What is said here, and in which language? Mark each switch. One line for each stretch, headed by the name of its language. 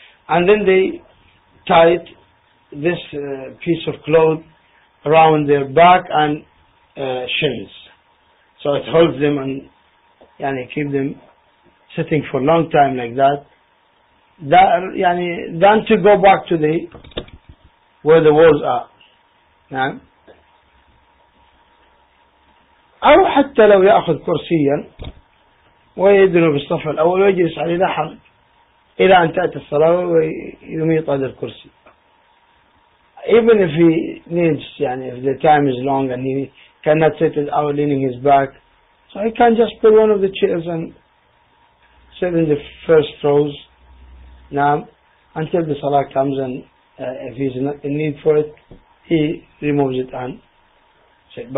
English: And then they tied this piece of cloth around their back and shins. So it holds them and yani, keep them sitting for a long time like that. Then to go back to the where the walls are.
Arabic: أو حتى لو يأخذ كرسيا ويدنو بالصف الأول ويجلس عليه لا حرج إلى أن تأتي الصلاة ويميط هذا الكرسي.
English: Even if he needs, يعني if the time is long and he cannot sit without leaning his back, so he can just pull one of the chairs and sit in the first rows. Now, until the salah comes and if he's in need for it, he removes it and sit.